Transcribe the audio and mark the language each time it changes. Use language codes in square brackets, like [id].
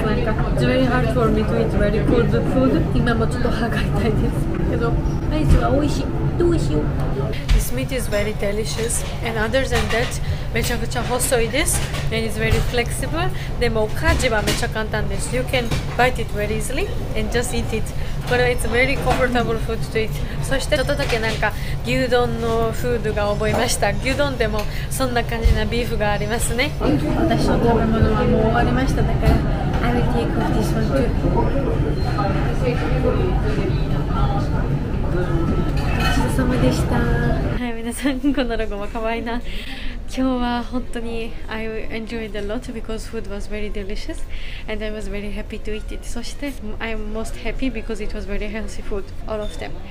[ja] なんか [en] It's very hard for me to eat very cold food. [ja] 今もちょっと歯が痛いですけど、アイスは美味しい。どうしよう。 [en] This meat is very delicious. And other than that, [ja] めちゃくちゃ細いです。 [en] And it's very flexible. [ja] でも家事はめちゃ簡単です。 [en] You can bite it very easily and just eat it. [ja] これは [en] It's very comfortable food to eat. [ja] そしてちょっとだけなんか牛丼のフードが覚えました。牛丼でもそんな感じなビーフがありますね。私の食べ物はもう終わりました。だから [en] I will take off this one too. [ja] ごちそうさまでした。はい、皆さんこのロゴも可愛いな。今日は本当に [en] I enjoyed a lot because food was very delicious and I was very happy to eat it. [ja] そして [en] I'm most happy because it was very healthy food, all of them.